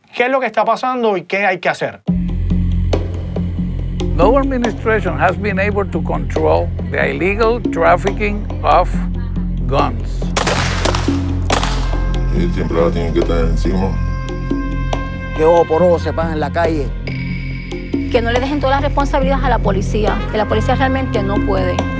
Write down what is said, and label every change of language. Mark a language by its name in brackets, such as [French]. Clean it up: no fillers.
[Spanish] ¿Qué es lo que está pasando y qué hay que hacer? [English] No administration has been able to control the illegal trafficking of guns. [Spanish] Y siempre la tienen que estar encima. Que ojo por ojo se pasan en la calle. Que no le dejen todas las responsabilidades a la policía, que la policía realmente no puede.